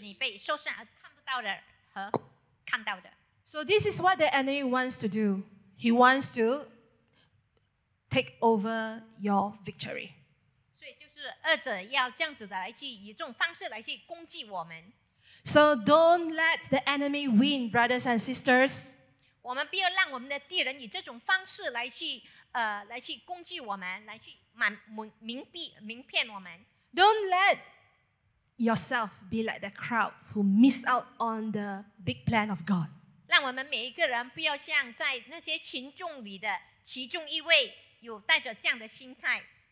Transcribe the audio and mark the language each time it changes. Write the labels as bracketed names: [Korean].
[Chinese] 比如说某某东西你看得见或者是你看不见或者是你被受伤看不到的和看到的。 [English] So this is what the enemy wants to do. He wants to take over your victory. [Chinese] 所以就是恶者要这样子的来去以这种方式来去攻击我们。 [English] So don't let the enemy win, brothers and sisters. [Chinese] 我们不要让我们的敌人以这种方式来去攻击我们，来去蒙蔽我们。 [English] Don't let yourself be like the crowd who miss out on the big plan of God. [Chinese] 让我们每一个人不要像在那些群众里的其中一位，有带着这样的心态。